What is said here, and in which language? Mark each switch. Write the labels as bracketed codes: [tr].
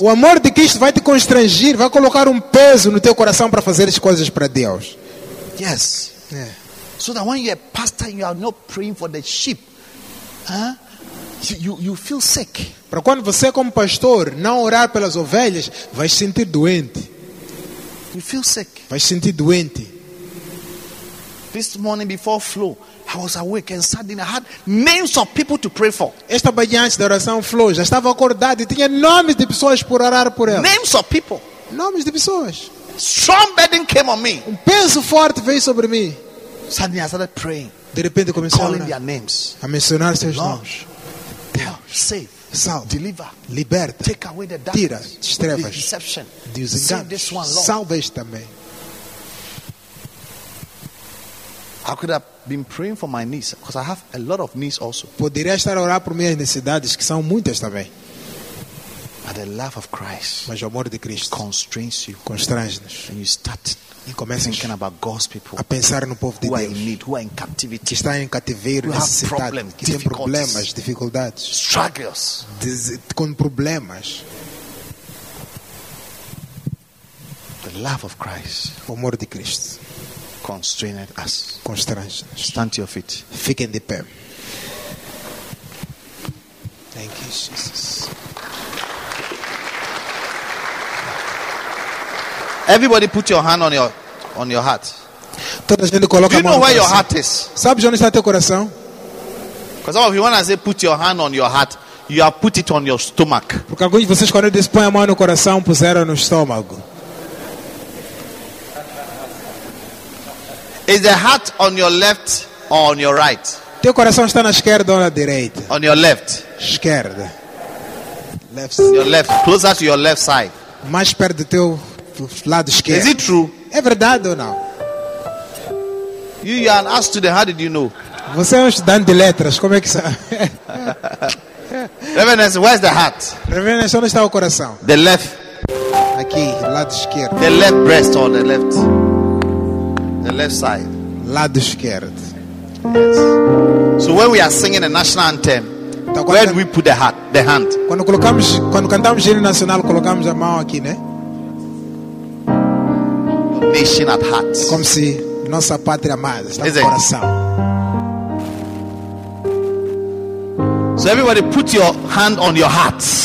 [pt] O amor de Cristo vai te constranger, vai colocar peso no teu coração para fazer as coisas para Deus. [en] Yes. Yeah. So that when you're a pastor, you are not praying for the sheep, huh? You feel sick. [pt] Para quando você como pastor não orar pelas ovelhas, vai sentir doente. [en] You feel sick. [pt] Vai sentir doente. [en] This morning before flow, I was awake and suddenly I had names of people to pray for. [pt] Esta manhã antes da oração flow, já estava acordado e tinha nomes de pessoas por orar por elas. [en] Names of people. [pt] Nomes de pessoas. [en] Strong burden came on me. [pt] Peso forte veio sobre mim. [en] Suddenly I started praying. [pt] De repente comecei [en] calling their names. [pt] A mencionar seus nomes. [en] Tell, save, [pt] salve, [en] deliver, [pt] liberta, [en] take away the darkness, [pt] tira as trevas, desengano, salve este também. [en] I could have been praying for my knees because I have a lot of knees also. [pt] Poderia estar a orar por minhas necessidades que são muitas também. [en] But the love of Christ, [pt] mas o amor de Cristo, [en] constrains you, [pt] constrange-nos, [en] and you start. [pt] E começa [en] thinking about God's people, [pt] a pensar no povo de [en] who [pt] Deus, [en] are in need, who are in captivity, [pt] que está em cativeiro, [en] problem, [pt] que tem problemas, dificuldades, [en] struggles, [pt] com problemas. [en] The love of Christ, [pt] o amor de Cristo, [en] constrained us, [pt] constrange-nos. [en] Stand to your feet, [pt] fiquem de pé. [en] Thank you, Jesus. Everybody put your hand on your heart. [pt] Toda a gente coloca a mão. [en] Do you know where your heart is? [pt] Sabe onde está teu coração? [en] Because some of you want to say put your hand on your heart, you have put it on your stomach. [pt] Porque alguns de vocês quando dizem põe a mão no coração, puseram no estômago. [en] Is the heart on your left or on your right? [pt] Teu coração está na esquerda ou na direita? [en] On your left. [pt] Esquerda. [en] Left. Your left. Closer to your left side. [pt] Mais perto do teu lado esquerdo. [en] Is it true? [pt] É verdade ou não? [en] You are an ask to the, how did you know? [pt] Você é um estudante de letras, como é que sabe? [en] Reverence, where's the heart? [pt] Reverence, onde está o coração? [en] The left. [pt] Aqui, lado esquerdo. [en] The left breast or the left. The left side. [pt] Lado esquerdo. [en] Yes. So when we are singing the national anthem, então, where do we put the heart? The hand. [pt] Quando cantamos hino nacional, colocamos a mão aqui, né? [en] Nation at heart. [pt] Como se nossa pátria amada está no coração. [en] So everybody put your hand on your heart.